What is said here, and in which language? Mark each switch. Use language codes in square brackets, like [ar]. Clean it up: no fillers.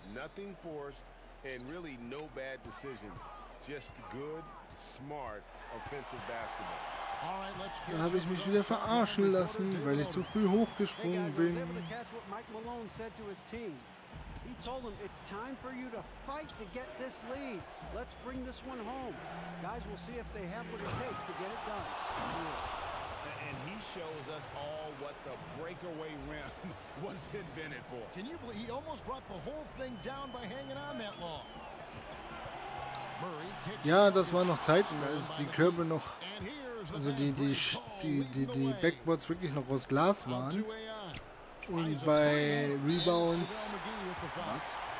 [en] Nothing forced and really no bad decisions. Just good, smart, offensive basketball. [de] Da habe ich mich wieder verarschen lassen, weil ich zu früh hochgesprungen bin. [en] Mike Malone said to his team. He told them it's time for you to fight to get this lead. Let's bring this one home. Guys, we'll see if they have what it takes to get it done. And he shows us all what the breakaway rim was invented for. Can you believe he almost brought the whole thing down by hanging on that long? [de] Ja, das war noch Zeit und da ist die Körbe noch, also die Backboards wirklich noch aus Glas waren. Und bei Rebounds, was?